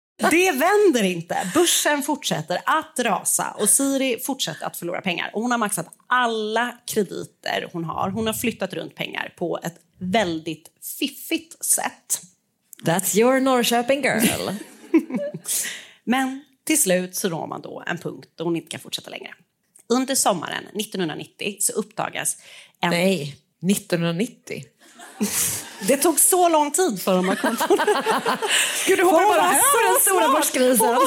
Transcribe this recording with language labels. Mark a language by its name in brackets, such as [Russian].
[Swedish] Det vänder inte. Börsen fortsätter att rasa och Siri fortsätter att förlora pengar. Hon har maxat alla krediter hon har. Hon har flyttat runt pengar på ett väldigt fiffigt sätt. [English] That's your Norrköping girl. [Swedish] Men till slut så når man då en punkt då hon inte kan fortsätta längre. Under sommaren 1990 så uppdagas en... Nej, 1990. Det tog så lång tid för dem att komma på det. Gud, du hoppade bara här på den stora börskrisen.